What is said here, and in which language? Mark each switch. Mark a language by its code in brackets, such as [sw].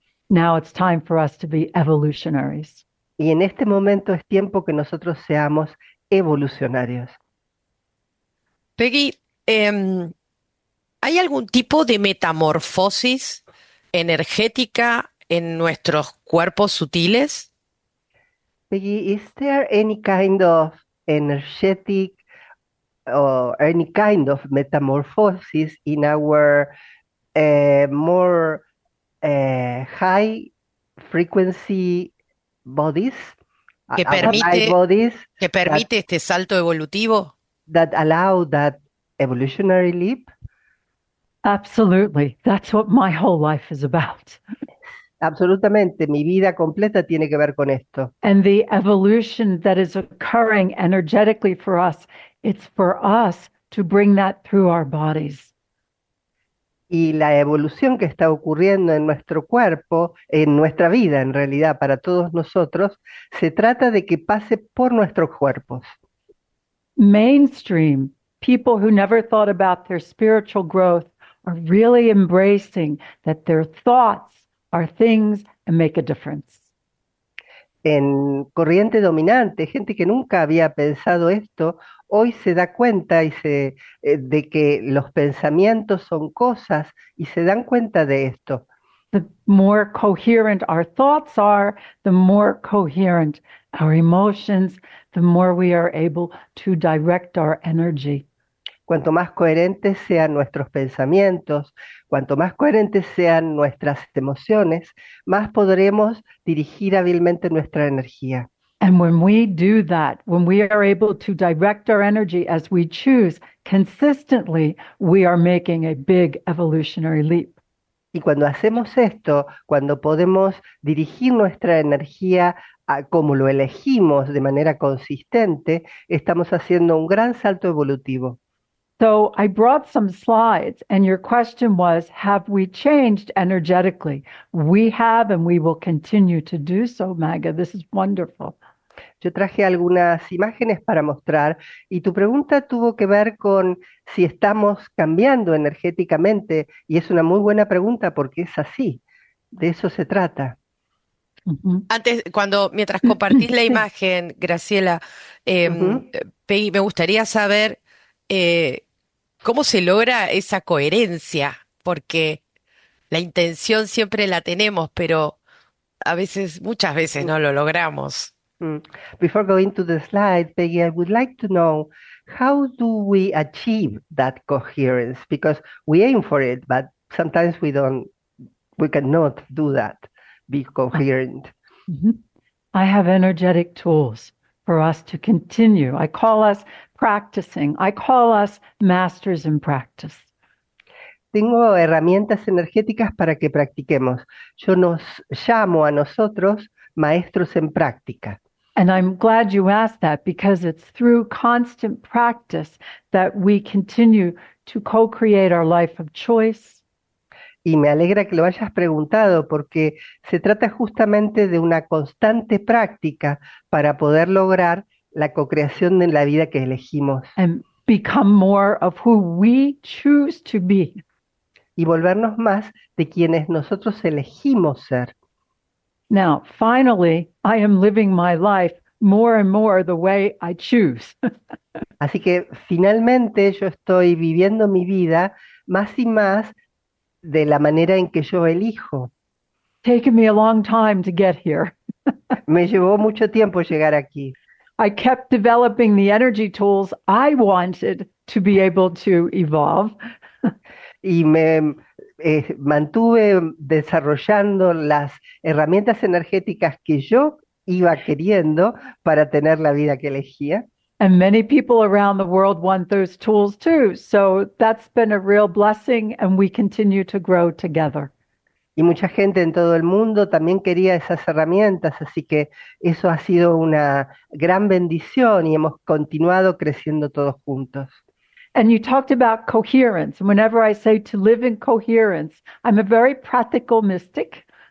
[en] Now it's time for us to be evolutionaries. [es] Y en este momento es tiempo que nosotros seamos evolucionarios. Peggy, ¿hay algún tipo de metamorfosis energética en nuestros cuerpos sutiles? [en] Peggy, is there any kind of energetic or any kind of metamorphosis in our more high frequency bodies, [es] que permite, [en] high bodies [es] que permite [en] that, [es] este salto evolutivo [en] that allow that evolutionary leap? Absolutely, that's what my whole life is about. [es] Absolutamente, mi vida completa tiene que ver con esto. [en] And the evolution that is occurring energetically for us, it's for us to bring that through our bodies. [es] Y la evolución que está ocurriendo en nuestro cuerpo, en nuestra vida en realidad, para todos nosotros, se trata de que pase por nuestros cuerpos. [en] Mainstream, people who never thought about their spiritual growth are really embracing that their thoughts are things and make a difference. [es] En corriente dominante, gente que nunca había pensado esto, hoy se da cuenta y de que los pensamientos son cosas y se dan cuenta de esto. [en] The more coherent our thoughts are, the more coherent our emotions, the more we are able to direct our energy. [es] Cuanto más coherentes sean nuestros pensamientos, cuanto más coherentes sean nuestras emociones, más podremos dirigir hábilmente nuestra energía. [en] And when we do that, when we are able to direct our energy as we choose consistently, we are making a big evolutionary leap. [es] Y cuando hacemos esto, cuando podemos dirigir nuestra energía a como lo elegimos de manera consistente, estamos haciendo un gran salto evolutivo. [en] So I brought some slides, and your question was, have we changed energetically? We have, and we will continue to do so, Magga. This is wonderful. [es] Yo traje algunas imágenes para mostrar, y tu pregunta tuvo que ver con si estamos cambiando energéticamente, y es una muy buena pregunta porque es así, de eso se trata. Antes, cuando mientras compartís la imagen, Graciela, me gustaría saber cómo se logra esa coherencia, porque la intención siempre la tenemos, pero a veces, muchas veces no lo logramos. [en] Before going to the slide, Peggy, I would like to know, how do we achieve that coherence? Because we aim for it, but sometimes we cannot do that, be coherent. I have energetic tools for us to continue. I call us practicing. I call us masters in practice. [es] Tengo herramientas energéticas para que practiquemos. Yo nos llamo a nosotros maestros en práctica. [en] And I'm glad you asked that, because it's through constant practice that we continue to co-create our life of choice. [es] Y me alegra que lo hayas preguntado, porque se trata justamente de una constante práctica para poder lograr la co-creación de la vida que elegimos. [en] And become more of who we choose to be. [es] Y volvernos más de quienes nosotros elegimos ser. [en] Now, finally, I am living my life more and more the way I choose. [es] Así que finalmente yo estoy viviendo mi vida más y más de la manera en que yo elijo. [en] Taking me a long time to get here. [es] Me llevó mucho tiempo llegar aquí. [en] I kept developing the energy tools I wanted to be able to evolve. [es] Y me mantuve desarrollando las herramientas energéticas que yo iba queriendo para tener la vida que elegía. [en] And many people around the world want those tools too. So that's been a real blessing, and we continue to grow together. [es] Y mucha gente en todo el mundo también quería esas herramientas, así que eso ha sido una gran bendición y hemos continuado creciendo todos juntos. [en] And you talked about coherence. Whenever I say to live in coherence, I'm a very practical mystic.